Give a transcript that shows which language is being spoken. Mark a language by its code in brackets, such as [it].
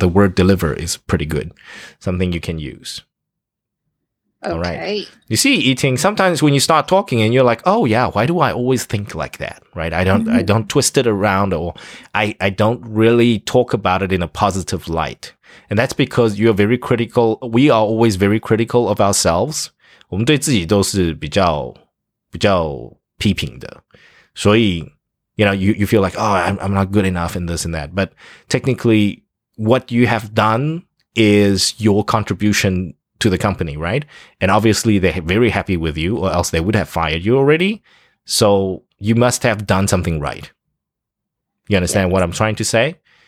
[en] The word deliver is pretty good, something you can use. Okay. All right. You see, Yiting, sometimes when you start talking and you're like, oh yeah, why do I always think like that? Right? I don't twist it around, or I don't really talk about it in a positive light. And that's because you're very critical. We are always very critical of ourselves. [zh] 我们对自己都是比较批评的。 [en] 所以, you know, you feel like, oh, I'm not good enough in this and that. But technically, what you have done is your contribution to the company, right? And obviously, they're very happy with you, or else they would have fired you already. So you must have done something right. You understand what I'm trying to say?